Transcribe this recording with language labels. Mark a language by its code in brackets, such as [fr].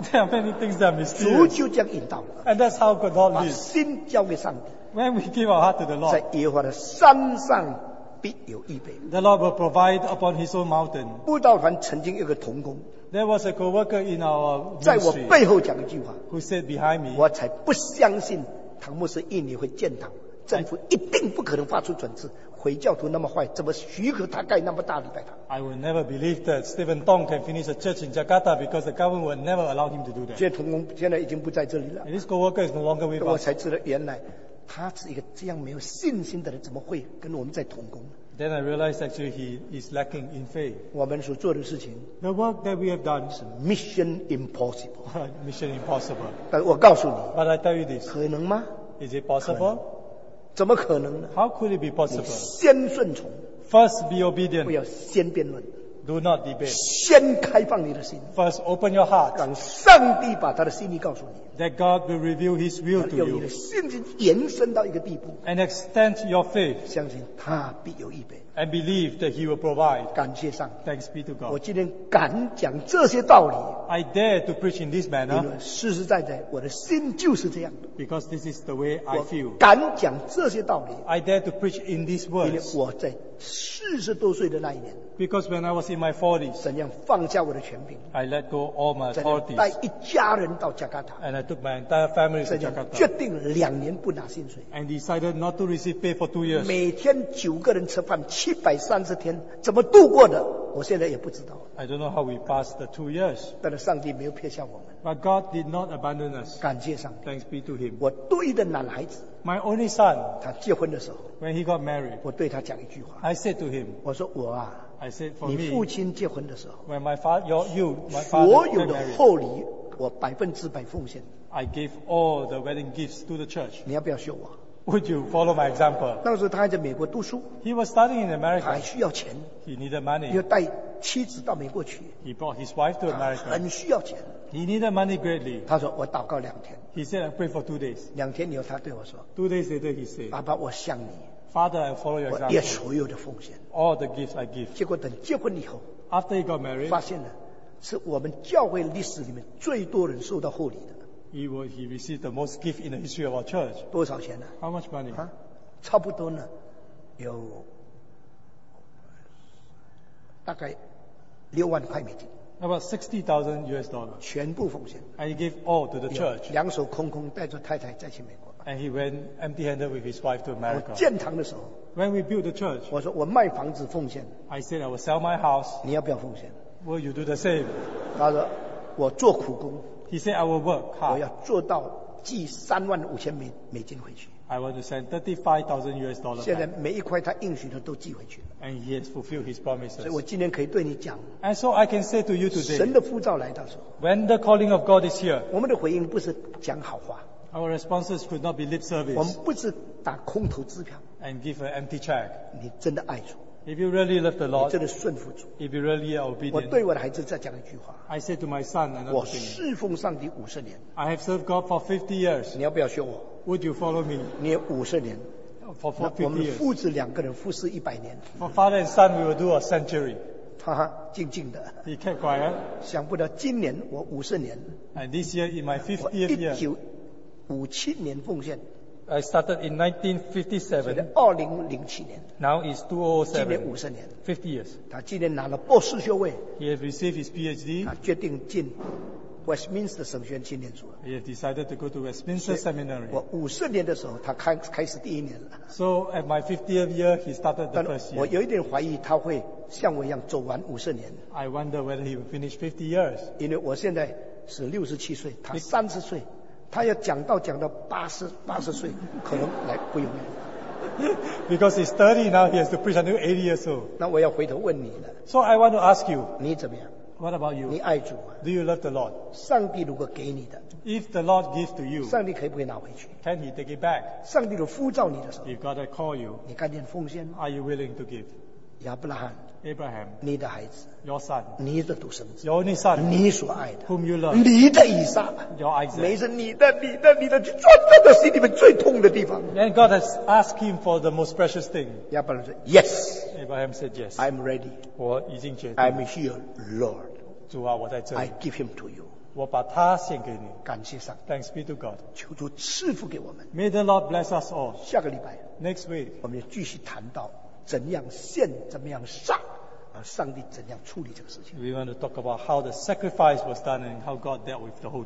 [en] There are many things that are mysterious. [zh] 主就这样引导了。 [en] And that's how God leads. [zh] 把心交给上帝。 [en] When we give our heart to the Lord. [zh] 在耶和华的山上必有预备。 [en] The Lord will provide upon His own mountain. [zh] 布道团曾经有个同工。 [en] There was a co-worker in our ministry. [zh] 在我背后讲一句话。 [en] Who said behind me? [zh] 我才不相信唐牧师一年会建堂，政府一定不可能发出准字。回教徒那么坏，怎么许可他盖那么大礼拜堂 [en] ？I will never believe that Stephen Tong can finish a church in Jakarta because the government will never allow him to do that. [zh] 这同工现在已经不在这里了。 [en] And、this co-worker is no longer with us. [zh] 我才知道原来。他是一个这样没有信心的人，怎么会跟我们在同工呢 [en] ？Then I realized actually he is lacking in faith. [zh] 我们所做的事情 [en] ，the work that we have done is mission impossible. mission impossible. [zh] 但我告诉你 [en] ，but I tell you this， [zh] 可能吗 [en] ？Is it possible？ [zh] 怎么可能呢 [en] ？How could it be possible？ [zh] 先顺从 [en] ，first be obedient， [zh] 不要先辩论 [en] ，do not debate， [zh] 先开放你的心 [en] ，first open your heart， [zh] 让上帝把他的心意告诉你。 [en] That God will reveal His will to you. [zh] 要有你的信心延伸到一个地步。 [en] And extend your faith. [zh] 相信他必有预备。 [en] And believe that He will provide. [zh] 感谢上帝。 [en] Thanks be to God. [zh] 我今天敢讲这些道理。 [en] I dare to preach in this manner. [zh] 因为实实在在，我的心就是这样。 [en] Because this is the way I feel. [zh] 敢讲这些道理。 [en] I dare to preach in these words. [zh] 因为我在四十多岁的那一年。 [en] Because when I was in my forties. [zh] 怎样放下我的权柄。 [en] I let go all my authorities. [zh] 带一家人到加加达。 [en] And I took my entire family to Jakarta. [zh] 决定两年不拿薪水。 [en] And decided not to receive pay for 2 years. [zh] 每天九个人吃饭730天怎么度过的我现在也不知道。 [en] I don't know how we passed the 2 years. [zh] 但是上帝没有撇下我们。 [en] But God did not abandon us. [zh] 感谢上帝。 [en] Thanks be to him. [zh] 我独一的男孩子。 [en] My only son. [zh] 他结婚的时候。 [en] When he got married. [zh] 我对他讲一句话。 [en] I said to him. [zh] 我说我啊。 [en] I said for me. [zh] 你父亲结婚的时候。 [en] When my father, my father. [zh] 所有的厚礼我百分之百奉献。 [en] I gave all the wedding gifts to the church. [zh] 你要不要学我？ [en] Would you follow my example? [zh] 那时候他还在美国读书。 [en] He was studying in America. [zh] 还需要钱。 [en] He needed money. [zh] 要带妻子到美国去。 [en] He brought his wife to America. [zh] 很需要钱。 [en] He needed money greatly. [zh] 他说我祷告两天。 [en] He said I prayed for 2 days. [zh] 两天以后他对我说。 [en] 2 days later he said. [zh] 爸爸我向你。 [en] Father I follow your example. [zh] 我也所有的奉献。 [en] All the gifts I give. [zh] 结果等结婚以后。 [en] After he got married. [zh] 发现了是我们教会历史里面最多人受到厚礼的。 [en] He received the most gift in the history of our church. [zh] 多少钱呢 [en] ？How much money？ [zh] 差不多呢，有大概$60,000。 [en] About $60,000. [zh] 全部奉献。 [en] And he gave all to the church. [zh] 两手空空，带着太太再去美国。 [en] And he went empty-handed with his wife to America. [zh] 建堂的时候。 [en] When we built the church. [zh] 我说我卖房子奉献。 [en] I said I will sell my house. [zh] 你要不要奉献 [en] ？Will you do the same？ [zh] 他说我做苦工。 [en] He said, "I will work hard." [zh] 我要做到寄35,000美金回去。 [en] I want to send $35,000. [zh] 现在每一块他应许的都寄回去了。 [en] And he has fulfilled his promises. [zh] 所以我今天可以对你讲。 [en] And so I can say to you today. [zh] 神的呼召来到时候。 [en] When the calling of God is here. [zh] 我们的回应不是讲好话。 [en] Our responses could not be lip service. [zh] 我们不是打空头支票。 [en] And give an empty check. [zh] 你真的爱主。 [en] If you really love the Lord, [zh] 真的顺服主。 [en] If you really are obedient, [zh] 我对我的孩子再讲一句话。 [en] I said to my son, another thing. [zh] 我侍奉上帝50年。 [en] I have served God for 50 years. [zh] 你要不要学我 [en] ？Would you follow me? [zh] 你五十年。 [en] For 50 years. [zh] 我们父子两个人服侍100年。 [en] For father and son, we will do a century. [zh] 他静静的。 [en] He kept quiet. [zh] 想不到今年我50年。 [en] And this year in my 50th year. [zh] 1957年奉献。 [en] I started in 1957. 2007年。Now is 2007. [zh] 今年50年。 [en] 50 years. [zh] 他今年拿了博士学位。 [en] He has received his PhD. [zh] 他决定进 Westminster 神学院青年组。 [en] He has decided to go to Westminster Seminary. [zh] 我50年的时候，他开始第一年了。 [en] So at my 50th year, he started the first year. [zh] 我有一点怀疑他会像我一样走完50年。 [en] I wonder whether he will finish 50 years. [zh] 因为我现在是67岁，他30岁。他要讲到80岁，可能来不容易。 [en] Because he's 30 now, he has to preach until 80 years old. [zh] 那我要回头问你了。 [en] So I want to ask you. [zh] 你怎么样 [en] ？What about you? [zh] 你爱主吗 [en] ？Do you love the Lord? [zh] 上帝如果给你的 [en] ，If the Lord gives to you, [zh] 上帝可以不可以拿回去 [en] ？Can he take it back? [zh] 上帝如果呼召你的时候 [en] ，If God has called you, [zh] 你甘愿奉献吗 [en] ？Are you willing to give? [zh] 亚伯拉罕 [en] ，Abraham， [zh] 你的孩子 [en] ，Your son， [zh] 你的独生子 [en] ，Your only son， [zh] 你所爱的 [en] ，Whom you love， [zh] 你的以撒 [en] ，Your Isaac， [zh] 没事，你的，就钻到他心里面最痛的地方。 [en] And God has asked him for the most precious thing。 [zh] 亚伯拉罕说 ，Yes。 [en] Abraham said yes。 I'm ready。 [zh] 我已经决定。 [en] I'm here, Lord。 [zh] 主啊，我在这里。 [en] I give him to you。 [zh] 我把他献给你。感谢上帝。 [en] Thanks be to God。 [zh] 求主赐福给我们。 [en] May the Lord bless us all。 [zh] 下个礼拜。 [en] Next week。 [zh] 我们要继续谈到。怎样献，怎么样杀，而上帝怎样处理这个事情。 [en] We want to talk about how the sacrifice was done and how God dealt with the whole thing.